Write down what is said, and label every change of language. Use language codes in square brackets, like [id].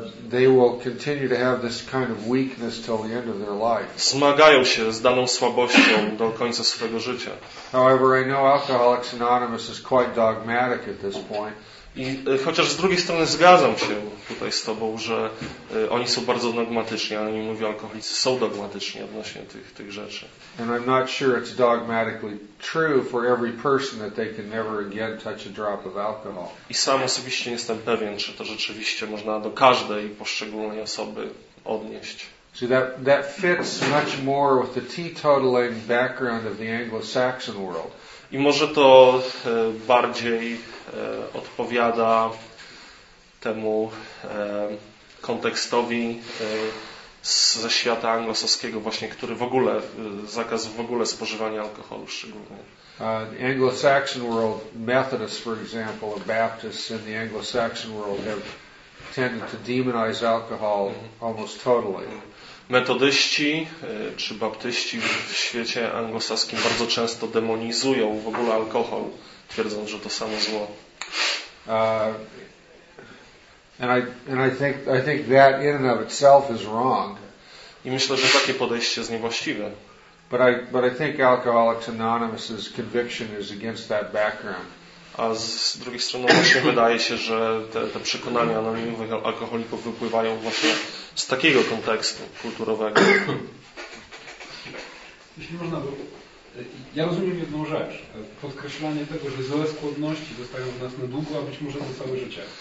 [en] they will continue to have this kind of weakness till the end of their life. [pl] Zmagają się z daną słabością do końca swojego życia. [en] However, I know Alcoholics Anonymous is quite dogmatic at this point. [pl] I chociaż z drugiej strony zgadzam się tutaj z Tobą, że oni są bardzo dogmatyczni, ale nie mówię, alkoholicy są dogmatyczni odnośnie tych rzeczy. [en] And I'm not sure it's dogmatically true for every person that they can never again touch a drop of alcohol. [pl] I sam osobiście nie jestem pewien, czy to rzeczywiście można do każdej poszczególnej osoby odnieść. [en] So that fits much more with the teetotaling background of the Anglo-Saxon world. [pl] I może to bardziej odpowiada temu kontekstowi ze świata anglosaskiego właśnie, który w ogóle zakaz w ogóle spożywania alkoholu szczególnie. [en] The Anglo-Saxon world, Methodists for example, or Baptists in the Anglo-Saxon world have tended to demonize alcohol almost totally. [pl] Metodyści czy baptyści w świecie anglosaskim bardzo często demonizują w ogóle alkohol, twierdząc, że to samo zło. [en] And I think that in and of itself is wrong. [pl] I myślę, że takie podejście jest niewłaściwe. [en] But I think Alcoholics Anonymous's conviction is against that background. [pl] A z drugiej strony właśnie wydaje się, że te przekonania anonimowych alkoholików wypływają właśnie z takiego kontekstu kulturowego. Jeśli można by... Ja rozumiem jedną rzecz. Podkreślanie tego, że złe skłonności zostają w nas na długo, a być może na całe życie.